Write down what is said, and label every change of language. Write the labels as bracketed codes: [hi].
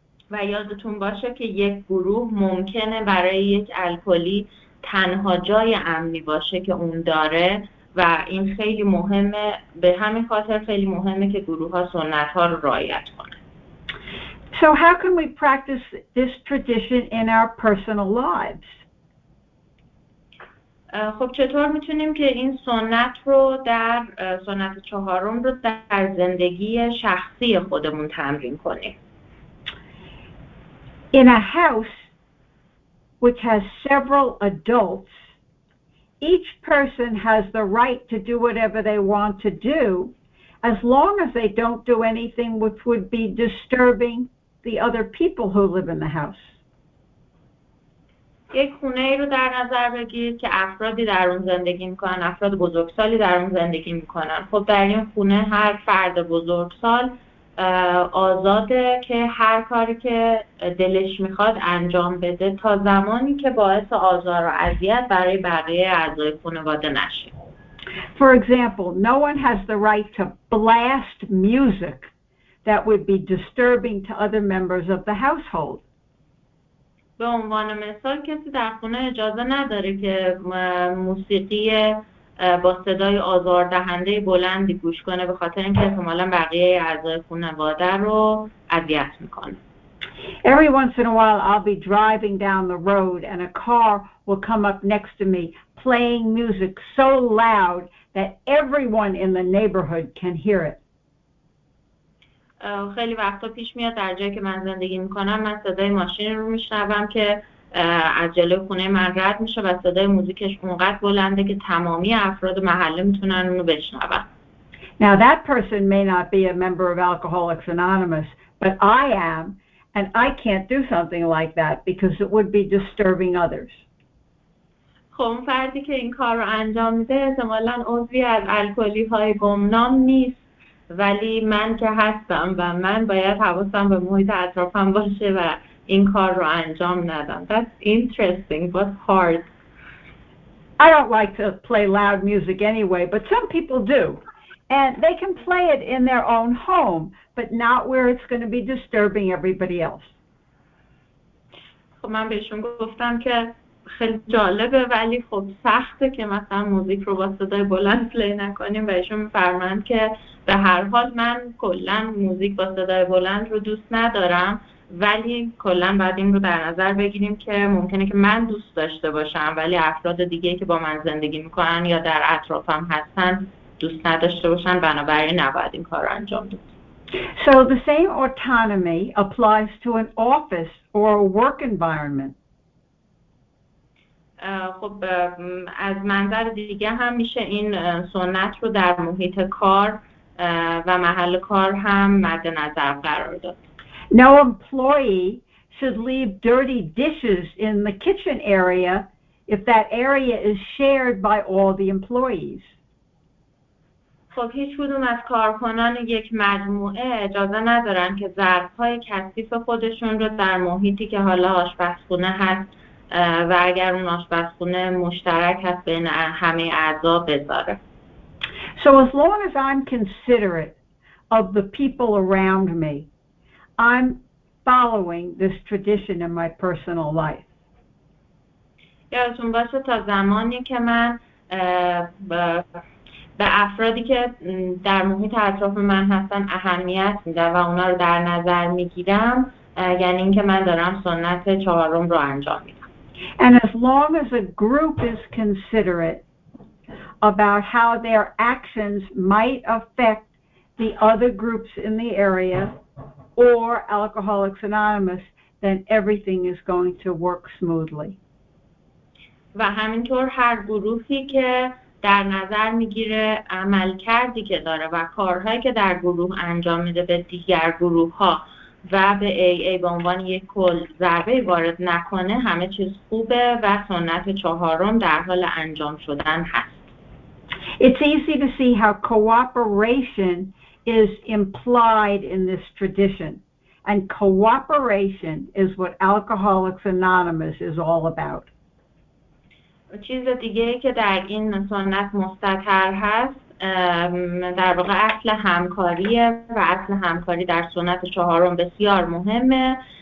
[fa] و یادتون باشه که یک گروه ممکنه برای یک الکلی تنها جای امنی باشه که اون داره و این خیلی مهمه. به همین خاطر خیلی مهمه که گروه ها سنت ها رو رعایت کنه. [en] So how can we practice this tradition in our personal lives? [fa] خب چطور میتونیم که این سنت رو در سنت چهارم رو در زندگی شخصی خودمون تمرین کنیم؟ [en] In a house which has several adults, each person has the right to do whatever they want to do, as long as they don't do anything which would be disturbing the other people who live in the house. [fa] یک خونه ای رو در نظر بگیرید که افرادی در اون زندگی میکنن، افراد بزرگسالی در اون زندگی میکنن. خب در این خونه هر فرد بزرگسال آزاده که هر کاری که دلش میخواد انجام بده تا زمانی که باعث آزار و اذیت برای بقیه اعضای خانواده نشه. [en] For example, no one has the right to blast music that would be disturbing to other members of the household. [fa] به عنوان مثال کسی در خونه اجازه نداره که موسیقی با صدای آزاردهنده بلندی گوش کنه به خاطر اینکه احتمالاً بقیه اعضای خانواده رو اذیت میکنه. [en] Every once in a while I'll be driving down the road and a car will come up next to me playing music so loud that everyone in the neighborhood can hear it. [fa] خیلی وقتا پیش میاد در جایی که من زندگی میکنم من صدای ماشین رو میشنوم که از جلوی خونه من رد میشه و صدای موزیکش اونقدر بلنده که تمامی افراد محله میتونن اونو بشنون. [en] Now that person may not be a member of Alcoholics Anonymous, but I am, and I can't do something like that because it would be disturbing others. [fa] خب اون فردی که این کار رو انجام میده احتمالاً عضوی از الکلی های گمنام نیست. ولی من که هستم و من باید حواسم به محیط اطرافم باشه و این کار رو انجام ندم. [en] That's interesting but hard. I don't like to play loud music anyway, but some people do. And they can play it in their own home, but not where it's going to be disturbing everybody else. [fa] خب من بهشون گفتم که خیلی جالبه ولی خب سخته که مثلا موزیک رو با صدای بلند پلی نکنیم و ایشون فرمند که به هر حال من کلن موزیک با صدای بلند رو دوست ندارم ولی کلن باید این رو در نظر بگیریم که ممکنه که من دوست داشته باشم ولی افراد دیگه که با من زندگی میکنن یا در اطرافم هستن دوست نداشته باشن بنابراین نباید این کار رو انجام دید. [en] So the same autonomy applies to an office or a work environment. [fa] خب از منظر دیگه هم میشه این سنت رو در محیط کار و محل کار هم مد نظر قرار داد. [en] No employee should leave dirty dishes in the kitchen area if that area is shared by all the employees. [fa] خب هیچ کدوم از کارکنان یک مجموعه اجازه ندارن که ظرف‌های کثیف خودشون رو در محیطی که حالا آشپزخونه هست و اگر اون آشپزخونه مشترک هست بین همه اعضا بذاره. [en] So as long as I'm considerate of the people around me, I'm following this tradition in my personal life. [fa] یادتون باشه تا زمانی که من به افرادی که در محیط اطراف من هستن اهمیت میدم و اونا رو در نظر میگیرم یعنی این که من دارم سنت چهارم رو انجام میدم. [en] And as long as a group is considerate about how their actions might affect the other groups in the area or Alcoholics Anonymous, then everything is going to work smoothly. [fa] و همینطور هر گروهی که در نظر میگیره عملکردی که داره و کارهایی که در گروه انجام میده به دیگر گروه ها و به AA به عنوان یک کل ضربه وارد نکنه همه چیز خوبه و سنت چهارم در حال انجام شدن هست. [en] It's easy to see how cooperation is implied in this tradition. And cooperation is what Alcoholics Anonymous is all about. [fa] چیز دیگه که در این سنت مستقر هست در واقع اصل همکاریه و اصل همکاری در سنت چهارم بسیار مهمه